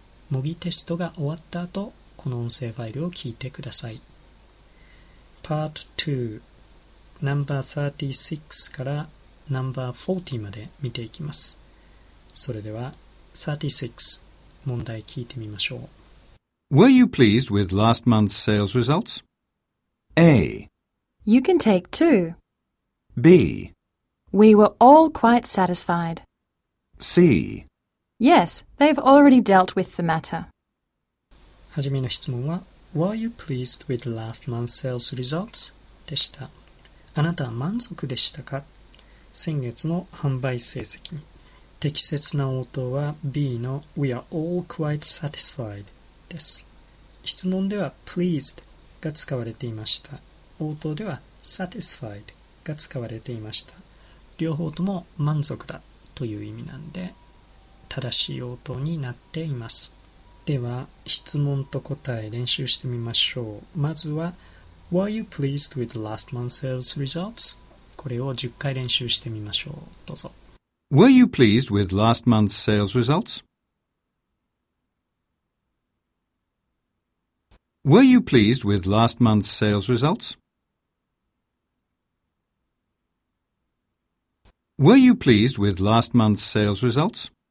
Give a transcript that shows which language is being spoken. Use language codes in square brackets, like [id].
[ja] 模擬テストが終わった後、この音声ファイルを聞いてください。 [en] Part 2 No. 36から No. [ja] 40まで見ていきます。それでは36問題聞いてみましょう。 [en] Were you pleased with last month's sales results? A. You can take two. B. We were all quite satisfied. C. Yes, they've already dealt with the matter. [ja] はじめの質問は [en] Were you pleased with last month's sales results? [ja] でした。あなたは満足でしたか？先月の販売成績に。適切な応答は B の [en] We are all quite satisfied [ja] です。質問では pleased が使われていました。応答では satisfied が使われていました。両方とも満足だという意味なんで、正しい応答になっています。では、質問と答え練習してみましょう。まずは、 [en] Were you pleased with last month's sales results? [ja] これを10回練習してみましょう。どうぞ。 [en] Were you pleased with last month's sales results? Were you pleased with last month's sales results? Were you pleased with last month's sales results?